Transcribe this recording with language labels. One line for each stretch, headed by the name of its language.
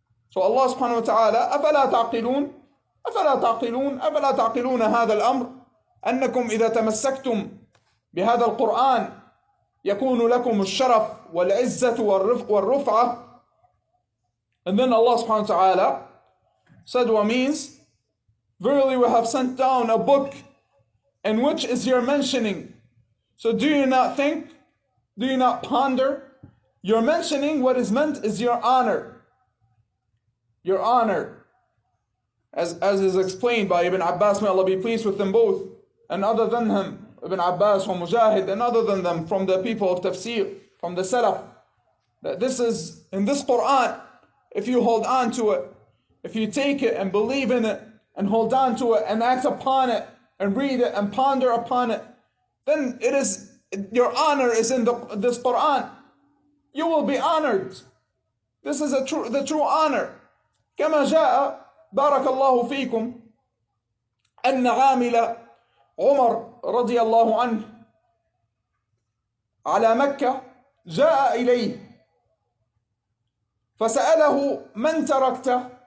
Arabic: So Allah سبحانه وتعالى أفلا تعقلون هذا الأمر, أنكم إذا تمسكتم بهذا القرآن يكون لكم الشرف والعزة والرفعة.
English: And then Allah سبحانه وتعالى said what means, verily we have sent down a book in which is your mentioning. So do you not think, do you not ponder? Your mentioning, what is meant is your honor. Your honor. as is explained by Ibn Abbas, may Allah be pleased with them both, and other than him, Ibn Abbas or Mujahid, and other than them from the people of Tafsir, from the Salaf, that this is, in this Quran, if you hold on to it, if you take it and believe in it, and hold on to it, and act upon it, and read it, and ponder upon it, then it is, your honor is in this Quran. You will be honored. This is the true honor.
Arabic: كما جاء بارك الله فيكم أن عامل عمر رضي الله عنه على مكة جاء إليه فسأله من تركت